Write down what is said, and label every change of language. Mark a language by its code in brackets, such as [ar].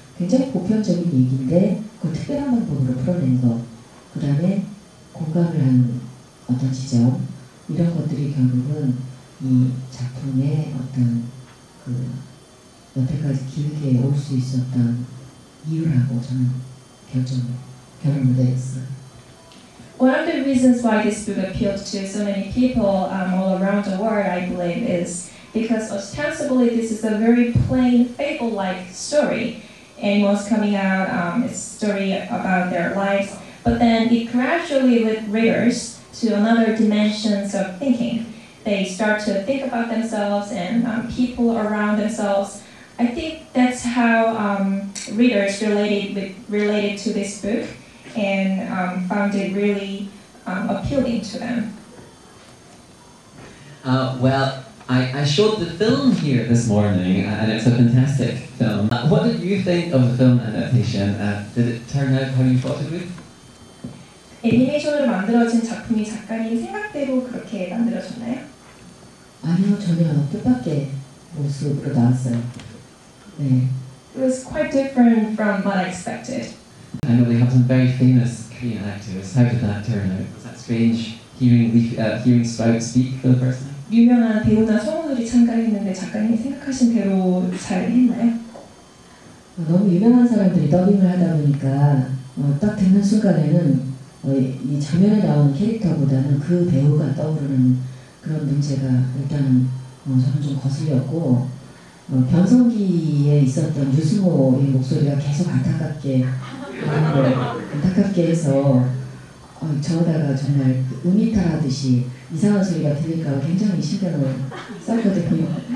[ko] 굉장히 보편적인 얘기인데 그 특별한 방법으로 풀어낸 것, 그 다음에 공감을 하는 어떤 지점, 이런 것들이 결국은 이 작품의 어떤 그 여태까지 길게 올 수 있었던 이유라고 저는 결론을 내렸어요. [en] One of the reasons why this book appealed to so many people all around the world, I believe, is because ostensibly this is a very plain, fable-like story. And what's coming out is a story about their lives. But then it gradually led readers to another dimensions of thinking. They start to think about themselves and people around themselves. I think that's how readers related to this book. And found it really appealing to them. Well, I showed the film here this morning, and it's a fantastic film. What did you think of the film adaptation? Did it turn out how you thought it would? [ko] 애니메이션으로 만들어진 작품이 작가님 생각대로 그렇게 만들어졌나요? 아니요, 전혀 뜻밖의 모습으로 나왔어요. 네. [en] It was quite different from what I expected. I know they have some very famous Korean actors. How did that turn out? Was that strange hearing Sprout speak for the first time? [ko] 유명한 배우나 성우들이 참가했는데 작가님이 생각하신 대로 잘 했나요? 너무 유명한 사람들이 더빙을 하다 보니까 딱 듣는 순간에는 이 장면에 나온 캐릭터보다는 그 배우가 떠오르는 그런 문제가 일단 저는 좀 거슬렸고 변성기에 있었던 유승호의 목소리가 계속 안타깝게 안타깝게 해서 저러다가 정말 우미타라듯이 이상한 소리가 들릴까 굉장히 신경을 썼거든요.